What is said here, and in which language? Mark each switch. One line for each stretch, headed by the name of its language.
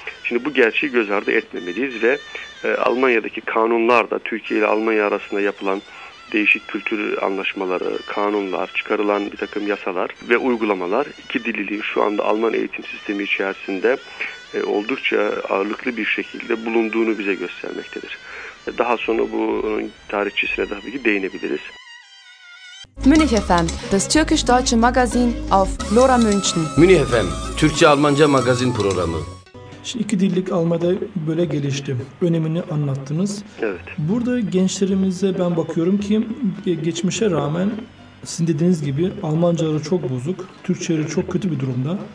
Turkish: Şimdi bu gerçeği göz ardı etmemeliyiz ve Almanya'daki kanunlar da Türkiye ile Almanya arasında yapılan değişik kültür anlaşmaları, kanunlar, çıkarılan bir takım yasalar ve uygulamalar iki dilliliğin şu anda Alman eğitim sistemi içerisinde oldukça ağırlıklı bir şekilde bulunduğunu bize göstermektedir. Daha sonra bunun tarihçesine de tabii ki değinebiliriz.
German: Münih FM, das türkisch-deutsche Magazin auf Lora München.
Turkish: Münih FM, Türkçe-Almanca magazin programı. Şimdi iki dillik Almanya'da böyle gelişti. Önemini anlattınız. Evet. Burada gençlerimize ben bakıyorum ki geçmişe rağmen sizin dediğiniz gibi Almancaları çok bozuk, Türkçeleri çok kötü bir durumda.